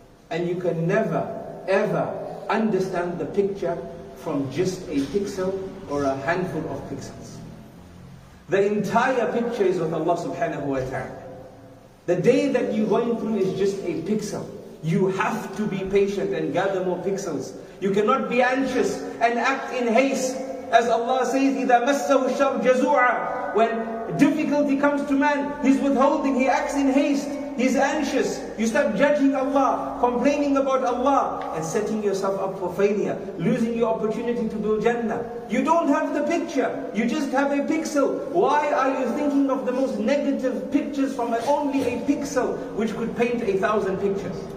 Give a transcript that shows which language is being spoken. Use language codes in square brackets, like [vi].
[en] And you can never, ever understand the picture from just a pixel or a handful of pixels. The entire picture is with Allah subhanahu wa ta'ala. The day that you're going through is just a pixel. You have to be patient and gather more pixels. You cannot be anxious and act in haste. As Allah says, [ar] إِذَا مَسَّهُ الشَّرُّ جَزُوعًا. [en] When difficulty comes to man, he's withholding, he acts in haste, he's anxious. You start judging Allah, complaining about Allah, and setting yourself up for failure, losing your opportunity to build Jannah. You don't have the picture, you just have a pixel. Why are you thinking of the most negative pictures from only a pixel, which could paint 1,000 pictures?